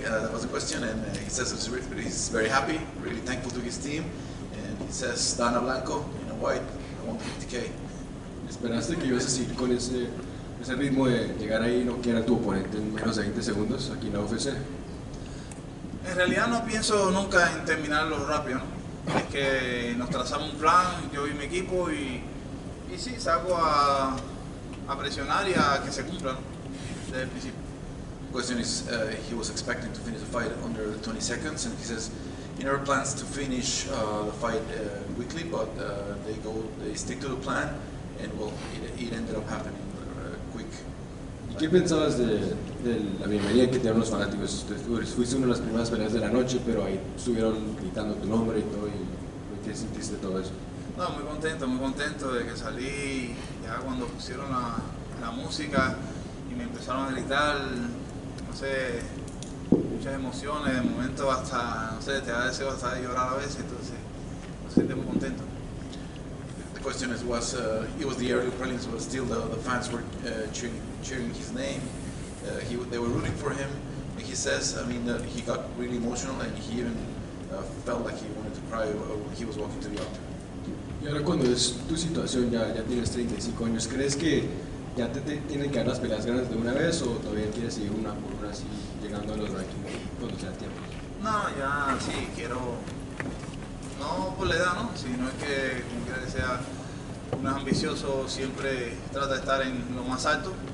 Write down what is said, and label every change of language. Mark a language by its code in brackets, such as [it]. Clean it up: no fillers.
[en] That was the question, and he says he's very happy, really thankful to his team. And he says, Tano Blanco, in a white, I want 50K. [es] ¿Esperaste que ibas a seguir con ese ritmo de llegar ahí y no quiera tu oponente en menos de 20 segundos aquí en la UFC? En realidad no pienso nunca en terminarlo rápido, ¿no? Es que nos trazamos un plan, yo y mi equipo, y sí, salgo a presionar y a que se cumpla, ¿no? Desde el principio. [en] The question is, he was expecting to finish the fight under 20 seconds, and he says he never plans to finish the fight quickly, but they stick to the plan, and well, it ended up happening quick. [es] ¿Y qué pensabas de la bienvenida que te dieron los fanáticos? Fuiste una de las primeras peleas de la noche, pero ahí estuvieron gritando tu nombre y todo, y ¿qué sentiste todo eso? No, muy contento de que salí, ya cuando pusieron la música y me empezaron a gritar, no sé, muchas emociones, de momento hasta, no sé, te da deseo hasta de llorar a veces, entonces me sentí muy contento. [en] The question is, was it was the early prelims, but still the fans were cheering his name. They were rooting for him. And he says, I mean, that he got really emotional and he even felt like he wanted to cry when he was walking to the octagon. [es] Y ahora cuando es tu situación, ya tienes 35 años, ¿crees que ya te tienen que dar las peleas grandes de una vez o todavía quieres seguir una por una así llegando a los rankings cuando sea tiempo? No, ya sí quiero. No por la edad, ¿no? Sino es que, como quiera que sea, uno es ambicioso, siempre trata de estar en lo más alto.